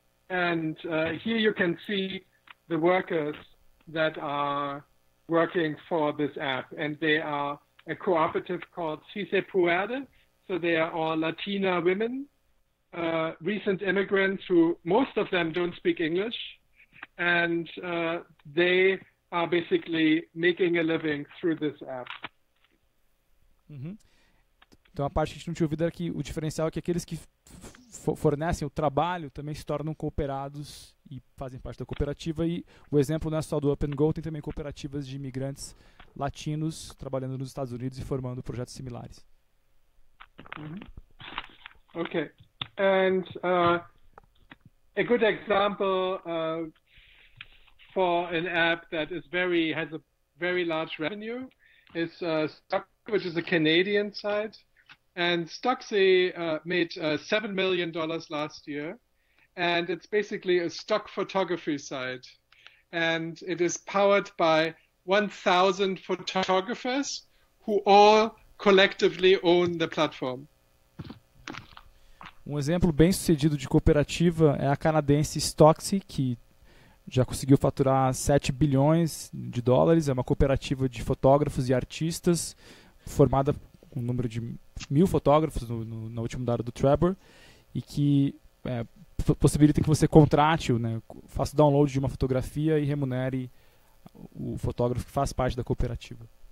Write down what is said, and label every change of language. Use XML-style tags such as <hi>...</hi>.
<en>And here you can see the workers that are working for this app, and they are a cooperative called Cise Puerde. So they are all Latina women, recent immigrants who most of them don't speak English, and they are basically making a living through this app. Mm-hmm.</en> <pt>Então a parte que a gente não tinha ouvido era que o diferencial é que aqueles que fornecem o trabalho também se tornam cooperados e fazem parte da cooperativa, e o exemplo não é só do Up and Go, tem também cooperativas de imigrantes latinos trabalhando nos Estados Unidos e formando projetos similares. Mm-hmm.</pt> <en>Okay, and a good example for an app that is has a very large revenue is Stock, which is a Canadian site. And Stocksy made $7 million last year, and it's basically a stock photography site. And it is powered by 1,000 photographers who all collectively own the platform.</en> <pt>Um exemplo bem sucedido de cooperativa é a canadense Stocksy, que já conseguiu faturar 7 bilhões de dólares. É uma cooperativa de fotógrafos e artistas, formada com um número de 1000 fotógrafos no último dado do Trevor, e que possibilita que você contrate, né, faça o download de uma fotografia e remunere o fotógrafo que faz parte da cooperativa.</pt>